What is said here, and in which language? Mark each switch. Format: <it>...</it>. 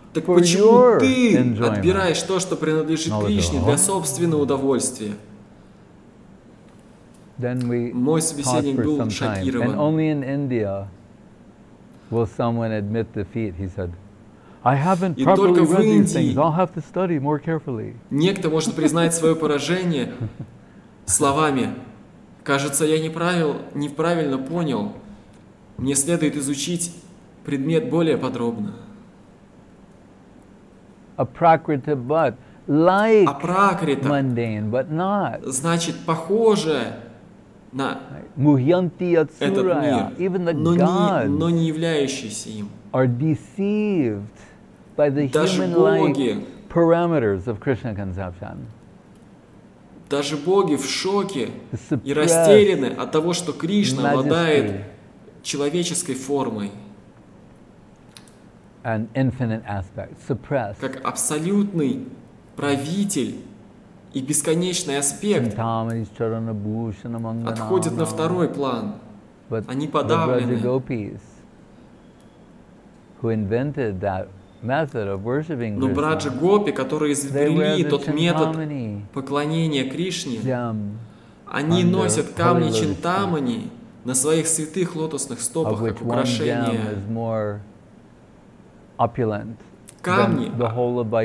<ru>Так почему ты отбираешь то, что принадлежит Кришне для собственного удовольствия? Мой собеседник был шокирован. И только в Индии</ru> <en>will someone admit defeat? He said, I haven't properly read these things. I'll have to study more carefully.</en> <ru>Некто может признать свое поражение словами. Кажется, я неправильно понял. Мне следует изучить предмет более подробно.</ru> <en>A prakriti, but like mundane, but not.</en> <ru>Значит, похоже на</ru> <sa>Muhyanti Yatsura,</sa> <en>even the gods,</en> <ru>но не являющиеся им,</ru> <en>are deceived by the human-like parameters of Krishna conception.</en> <ru>Даже боги в шоке и растеряны от того, что Кришна обладает человеческой формой.</ru> <en>An infinite aspect, suppressed.</en> <ru>Как абсолютный правитель и бесконечный аспект отходит на второй план.</ru> <en>But</en> <ru>они подавлены.</ru> <en>Gopis, who invented that method of worshiping Krishna,</en> <ru>но браджа гопи, которые изобрели тот метод поклонения Кришне, они носят камни чинтамани на своих святых лотосных стопах как украшение.</ru> <en>Opulent,</en> <ru>камни,</ru> <en>the whole of</en>